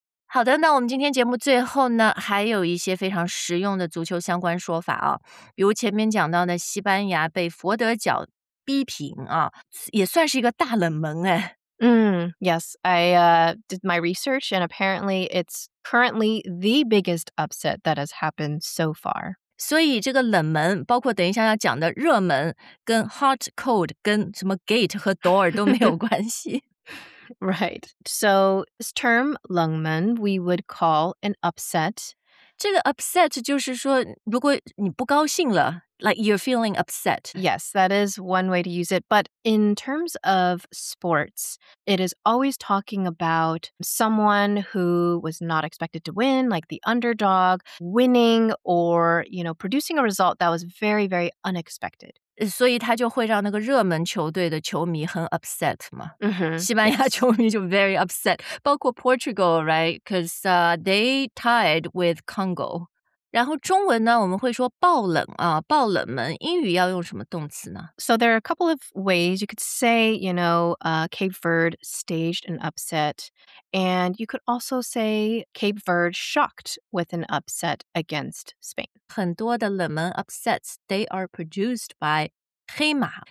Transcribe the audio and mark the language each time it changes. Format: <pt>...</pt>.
<zh>好的，那我们今天节目最后呢，还有一些非常实用的足球相关说法啊，比如前面讲到的西班牙被佛得角逼平啊，也算是一个大冷门哎。</zh> <en>Yes, I did my research and apparently it's currently the biggest upset that has happened so far.</en> <zh>所以这个冷门，包括等一下要讲的热门，跟 hot, cold, 跟什么 gate 和 door 都没有关系。</zh> <en>Right. So this term, 冷门, we would call an upset.</en> <zh>这个 upset 就是说如果你不高兴了</zh> <en>like you're feeling upset. Yes, that is one way to use it. But in terms of sports, it is always talking about someone who was not expected to win, like the underdog, winning or, you know, producing a result that was very, very unexpected.</en> <zh>所以他就会让那个热门球队的球迷很 upset 嘛。 Mm-hmm. 西班牙球迷就</zh> <en>very upset.</en> <zh>包括 Portugal,</zh> <en>right? Because they tied with Congo.</en> <zh>然后中文呢我们会说爆冷啊爆冷门。英语要用什么动词呢</zh> <en>So there are a couple of ways. You could say, you know, Cape Verde staged an upset. And you could also say Cape Verde shocked with an upset against Spain.</en> <zh>很多的冷门</zh> <en>upsets, they are produced by 黑马。</en>